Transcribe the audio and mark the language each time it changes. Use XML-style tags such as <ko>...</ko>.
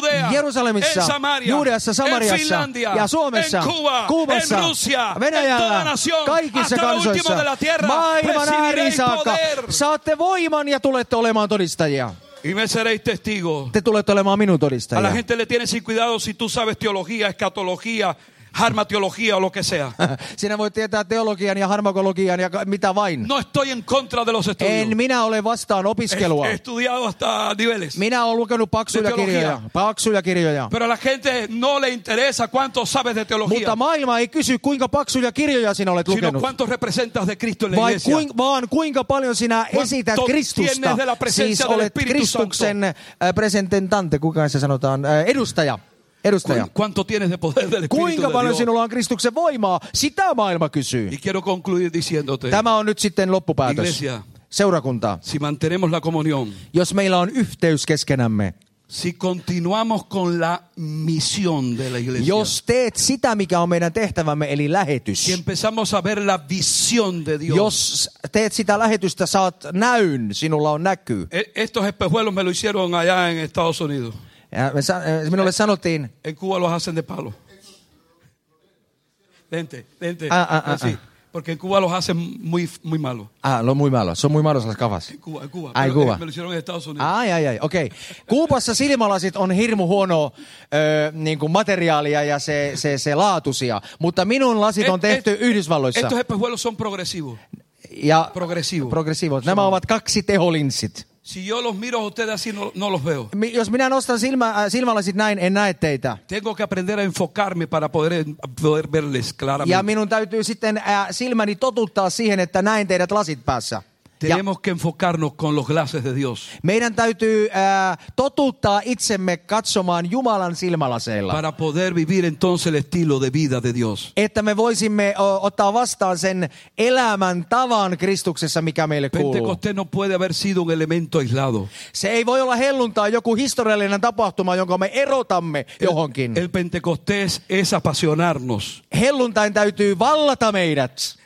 <fi>Jerusalemissa, Juudeassa, Samariassa ja Suomessa, Kuubassa, Venäjällä, kaikissa kansoissa, maailman ääriin saakka. Saatte voiman ja tulette olemaan todistajia.</fi> <es>Y me seréis testigo.</es> <fi>Te tulette olemaan minun todistajia.</fi> <es>A la gente le tiene sin cuidado si tú sabes teología, escatología, harma teología o lo que sea.</es> <fi>Sinä voit tietää teologian ja harmakologian ja mitä vain.</fi> <es>No estoy en contra de los estudios.</es> <fi>En minä ole vastaan opiskelua.</fi> <es>He estudiado hasta niveles.</es> <fi>Minä olen lukenut paksuja kirjoja.</fi> <es>Pero la gente no le interesa cuánto sabes de teología.</es> <fi>Mutta maailma ei kysy kuinka paksuja kirjoja sinä olet lukenut.</fi> <es>Sino cuánto representas de Cristo en la iglesia.</es> <fi>Vaan kuinka paljon sinä esität Kristusta.</fi> <es>De la</es> <fi>siis</fi> <es>del</es> <fi>olet Kristuksen presententante, kuinka se sanotaan, edustaja.</fi> <es>¿Cuánto tienes de poder del Espíritu de Dios?</es> <fi>Sinulla on Kristuksen voimaa? Sitä maailma kysyy.</fi> <es>Y quiero concluir diciéndote.</es> <fi>Tämä on nyt sitten loppupäätös.</fi> <es>Iglesia,</es> <fi>seurakunta.</fi> <es>Si mantenemos la comunión.</es> <fi>Jos meillä on yhteys keskenämme.</fi> <es>Si continuamos con la misión de la iglesia.</es> <fi>Jos teet sitä, mikä on meidän tehtävämme, eli lähetys.</fi> <es>Si empezamos a ver la visión de Dios.</es> <fi>Jos teet sitä lähetystä, saat näyn, sinulla on näky.</fi> <es>Estos espejuelos me lo hicieron allá en Estados Unidos.</es> <fi>Ja minulle sanottiin.</fi> <es>En Cuba lo hacen de palo. Lente. Porque en Cuba lo hacen muy malo. Ah, lo muy malo. Son muy malos las gafas. En Cuba. Me lo hicieron en Estados Unidos. Ay. Okei. Okay.</es> <fi>Kuubassa silmälasit on hirmu huono niinku materiaalia ja se laatusia. Mutta minun lasit on tehty Yhdysvalloissa.</fi> <es>Estos espejuelos son progresivos.</es> <fi>Ja</fi> <es>progresivos.</es> <fi>Nämä ovat kaksi teholinssit.</fi> <es>Si yo los miro a ustedes así no los veo.</es> <fi>Jos minä nostan silmälasit näin, en näe teitä.</fi> <es>Tengo que aprender a enfocarme para poder verles claramente.</es> <fi>Ja minun täytyy sitten silmäni totuttaa siihen, että näen teidät lasit päässä.</fi> <es>Tenemos que enfocarnos con los glasses de Dios.</es> <fi>Meidän täytyy totuttaa itsemme katsomaan Jumalan silmälaseilla.</fi> <es>Para poder vivir entonces el estilo de vida de Dios.</es> <fi>Että me voisimme ottaa vastaan sen elämän tavan Kristuksessa, mikä meille kuuluu.</fi> <es>Pentecoste no puede haber sido un elemento aislado.</es> <fi>Se ei voi olla helluntaa joku historiallinen tapahtuma, jonka me erotamme johonkin.</fi> <es>El Pentecostés es apasionarnos.</es> <fi>Helluntain täytyy vallata meidät.</fi>